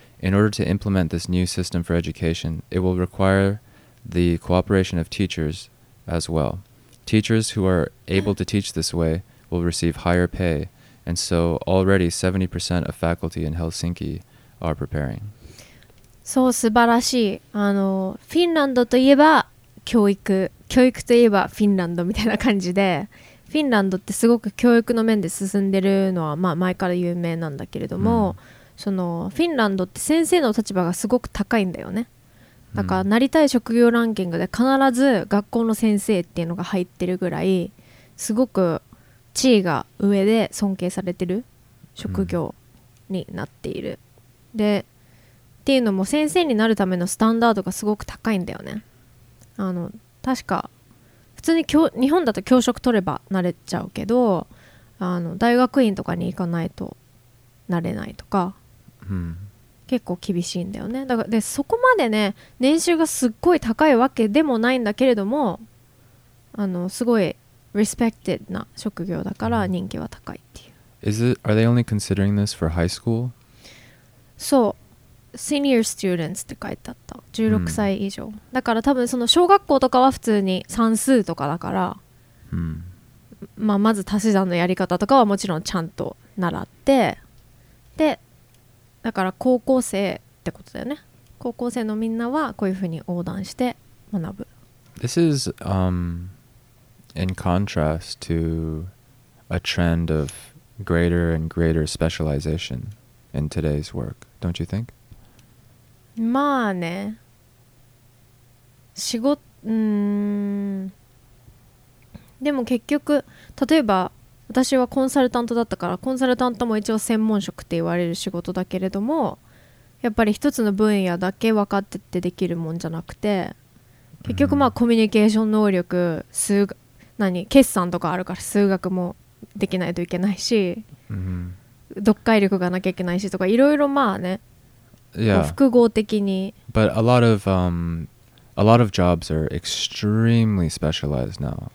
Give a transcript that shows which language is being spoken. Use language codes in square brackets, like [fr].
[en] In order to implement this new system for education, it will require the cooperation of teachers as well. Teachers who are able to teach this way will receive higher pay, and so already 70% of faculty in Helsinki are preparing. [ja] そう、素晴らしい。フィンランドといえば教育といえばフィンランドみたいな感じで、フィンランドってすごく教育の面で進んでるのは、まあ、前から有名なんだけれども、うん、そのフィンランドって先生の立場がすごく高いんだよね。だからなりたい職業ランキングで必ず学校の先生っていうのが入ってるぐらい、すごく地位が上で尊敬されてる職業になっている、うん、でっていうのも先生になるためのスタンダードがすごく高いんだよね。確か普通に日本だと教職取ればなれちゃうけど、大学院とかに行かないとなれないとか、うん、結構厳しいんだよね。だからでそこまでね、年収がすっごい高いわけでもないんだけれども、すごいリスペクティッドな職業だから人気は高いっていう。 [en] Are they only considering this for high school? [ja] そう、 [en] Senior students [ja] って書いてあった。 16歳以上、うん、だから多分その小学校とかは普通に算数とかだから、うん、まあ、まず足し算のやり方とかはもちろんちゃんと習って、でだから高校生ってことだよね。高校生のみんなはこういうふうに横断して学ぶ。 [en] This is in contrast to a trend of greater and greater specialization in today's work, don't you think? [ja] まあね、仕事、でも結局例えば私はコンサルタントだったから、コンサルタントも一応専門職って言われる仕事だけれども、やっぱり一つの分野だけ分かっててできるもんじゃなくて、結局まあコミュニケーション能力、決算とかあるから数学もできないといけないし、読解力がなきゃいけないしとか、いろいろまあね、 [en] Yeah. But a lot of jobs are extremely specialized now.